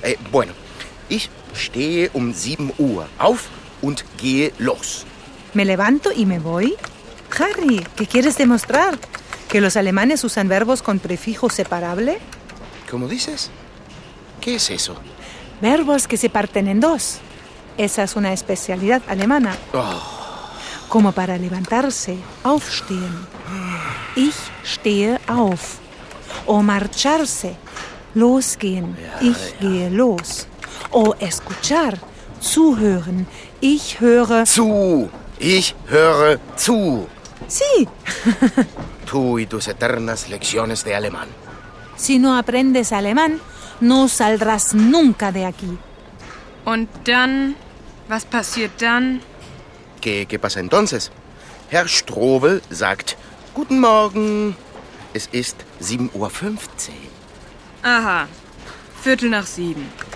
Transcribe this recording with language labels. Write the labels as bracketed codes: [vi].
[de] Bueno, ich stehe um 7 Uhr auf und gehe los. [es] Me levanto y me voy. Harry, ¿qué quieres demostrar? ¿Que los alemanes usan verbos con prefijo separable? ¿Cómo dices? ¿Qué es eso? Verbos que se parten en dos. Esa es una especialidad alemana. Oh. Como para levantarse, aufstehen. [de] Ich stehe auf. [es] O marcharse, losgehen. [de] Ja, ich ja. gehe los. [es] O escuchar, [de] zuhören. Ich höre zu. Ich höre zu. [es] Sí. Tú y tus eternas lecciones de alemán. Si no aprendes alemán, no saldrás nunca de aquí. [de] Und dann, was passiert dann? [es] ¿Qué pasa entonces? [de] Herr Strobel sagt, guten Morgen. Es ist 7.15 Uhr. Aha, viertel nach sieben.